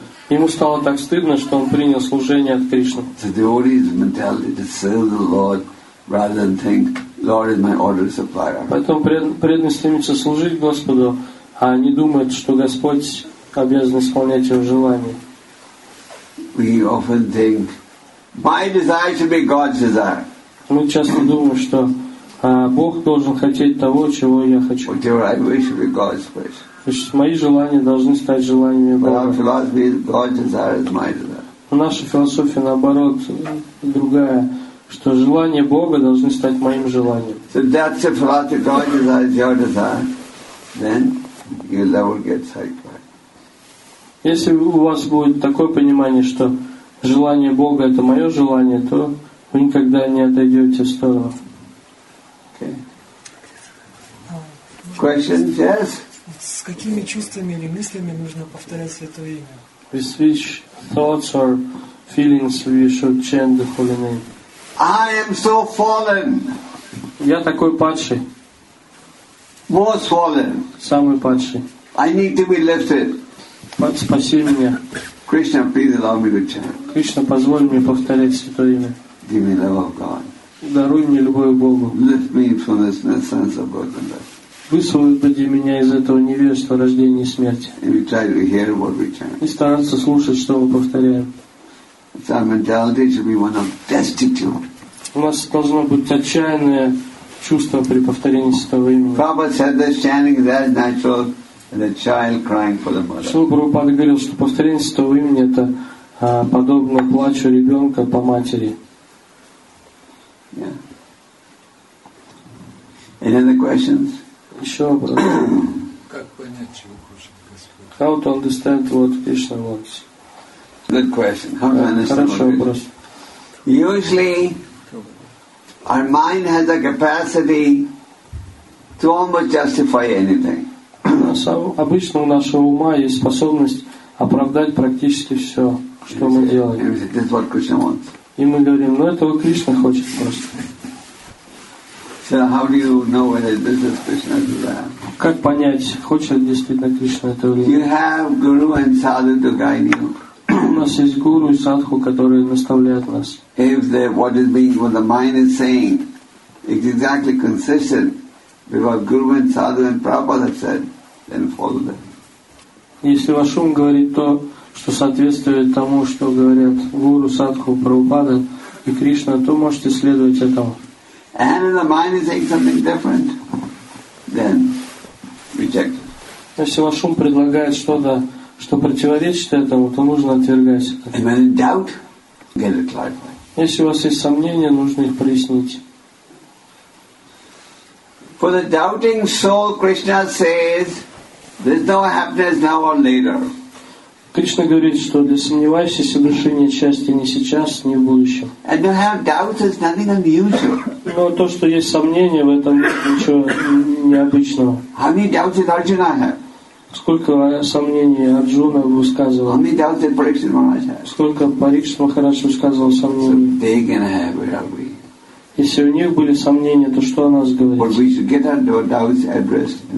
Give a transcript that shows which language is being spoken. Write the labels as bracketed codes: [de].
[ru] Ему стало так стыдно, что он принял служение от Кришны. [en] The devotee's mentality to serve the Lord rather than think Lord is my order supplier. [ru] Поэтому преданный стремится служить Господу, а не думает, что Господь обязан исполнять его желание. [en] We often think my desire should be God's desire. [ru] Мы часто думаем, что Бог должен хотеть того, чего я хочу. [en] Whatever I wish should be God's wish. [ru] То есть мои желания должны стать желаниями Бога. [en] But our philosophy is God's desire is my desire. [ru] Наша философия наоборот другая, что желания Бога должны стать моим желанием. [en] So that's the philosophy. God's desire is your desire. Then you'll never get satisfied. [ru] Если у вас будет такое понимание, что желание Бога — это мое желание, то вы никогда не отойдете в сторону. [en] Okay. Question? Yes. [ru] С какими чувствами или мыслями нужно повторять святое имя? [en] With which thoughts or feelings we should chant the holy name? I am so fallen. [ru] Я такой падший. [en] Most fallen. [ru] Самый падший. [en] I need to be lifted. [ru] Спаси меня. [en] Krishna, please allow me to chant. [ru] Кришна, позволь мне повторять святое имя. [en] Give me love of God. [ru] Даруй мне любовь к Богу. [en] Lift me from this sense of birth and death. [ru] Высвободи меня из этого невежества рождения и смерти. [en] And we try to hear what we chant. [ru] И стараться слушать, что мы повторяем. [en] It's our mentality should be one of destitute. [ru] У нас должно быть отчаянное чувство при повторении святого имени. [en] Prabhupada said that chanting is as natural as a child crying for the mother. [ru] Шрила Прабхупада говорил, что повторение святого имени это подобно плачу ребенка по матери. [en] Yeah. Any other questions? [ru] Еще вопрос. Как понять, чего хочет Господь? [en] How to understand what Krishna wants? Good question. How to understand what Krishna? Usually, our mind has the capacity to almost justify anything. [ru] Обычно у нашего ума есть способность оправдать практически все, что мы делаем. [en] And we say, this is what Krishna wants. [ru] И мы говорим, ну этого Кришна хочет просто. [en] So how do you know whether this is Krishna's desire? [ru] Как понять, хочет ли действительно Кришна это или нет? [en] You have guru and sadhu to guide you. [ru] У нас есть гуру и садху, которые наставляют нас. [en] If the what is being what the mind is saying is exactly consistent with what guru and sadhu and Prabhupada have said, then follow them. [ru] Если ваш ум говорит то, что соответствует тому, что говорят гуру, садху, Прабхупада и Кришна, то можете следовать этому. [en] And if the mind is saying something different, then reject it. [ru] Если ваш ум предлагает что-то, что противоречит этому, то нужно отвергать это. [en] And when in doubt, get it clarified. [ru] Если у вас есть сомнения, нужно их прояснить. [en] For the doubting soul, Krishna says, there's no happiness now or later. [ru] Кришна говорит, что для сомневающейся души нет счастья ни сейчас, ни в будущем. [en] And to have doubts is nothing unusual. [ru] Но то, что есть сомнения, в этом ничего необычного. [en] How many doubts did Arjuna have? [ru] Сколько сомнений Арджуна высказывал? [en] How many doubts did Parikshit Maharaj have? [ru] Сколько Парикшит Махарадж высказывал сомнений? [en] So they can have, where are we? [ru] Если у них были сомнения, то что о нас говорить? [en] But we should get our doubts addressed in the right manner.